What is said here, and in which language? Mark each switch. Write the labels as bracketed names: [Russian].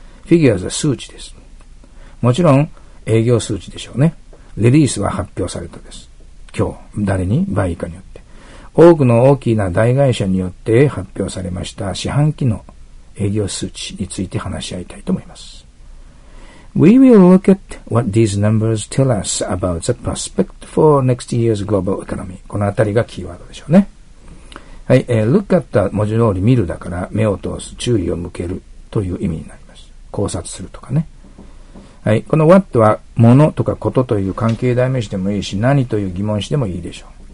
[Japanese] figures は数値です。もちろん営業数値でしょうね。release は発表されたです。今日、誰に？バイカによって。多くの大きな大会社によって発表されました四半期の営業数値について話し合いたいと思います。 [English] We will look at what these numbers tell us about the prospect for next year's global economy. [Japanese] このあたりがキーワードでしょうね。はい、look at は文字通り見るだから、目を通す、注意を向けるという意味になります。考察するとかね。はい、この what は物とかことという関係代名詞でもいいし、何という疑問詞でもいいでしょう。